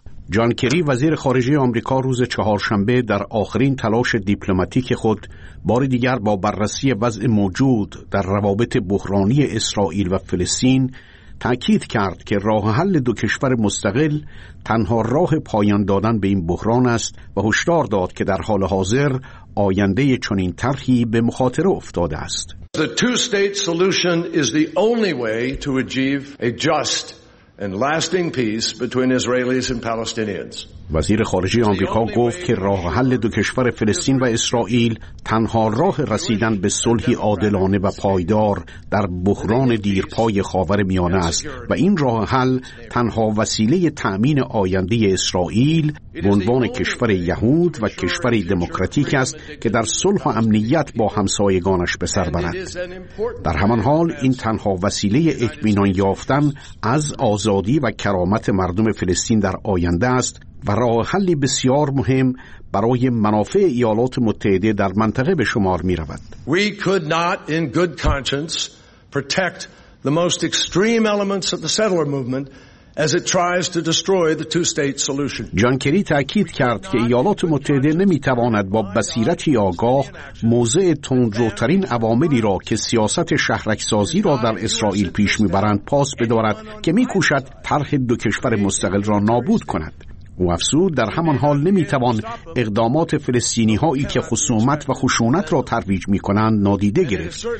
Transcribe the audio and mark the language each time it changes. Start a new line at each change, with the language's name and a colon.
Persian: جان کری وزیر خارجه آمریکا روز چهارشنبه در آخرین تلاش دیپلماتیک خود بار دیگر با بررسی وضع موجود در روابط بحرانی اسرائیل و فلسطین تأکید کرد که راه حل دو کشور مستقل تنها راه پایان دادن به این بحران است و هشدار داد که در حال حاضر آینده چنین طرحی به مخاطره افتاده است.
English: The two-state solution is the only way to achieve a just and lasting peace between Israelis and Palestinians.
Persian: وزیر خارجه آمریکا گفت که راه حل دو کشور فلسطین و اسرائیل تنها راه رسیدن به صلحی عادلانه و پایدار در بحران دیرپای خاورمیانه است و این راه حل تنها وسیله تأمین آینده اسرائیل به عنوان کشور یهود و کشور دموکراتیک است که در صلح و امنیت با همسایگانش به سر برد. در همان حال این تنها وسیله اطمینان یافتن از آزادی و کرامت مردم فلسطین در آینده است و راه حلی بسیار مهم برای منافع ایالات متحده در منطقه به شمار می رود.
English: We could not in good conscience protect the most extreme elements of the settler movement as it tries to destroy the two-state solution.
Persian: جان کری تأکید کرد که ایالات متحده نمی تواند با بصیرتی آگاه موضع تندروترین عواملی را که سیاست شهرکسازی را در اسرائیل پیش می برند پاس بدارد که می کوشد طرح دو کشور مستقل را نابود کند. و افزود در همان حال نمیتوان اقدامات فلسطینی هایی که خصومت و خشونت را ترویج میکنند نادیده گرفت.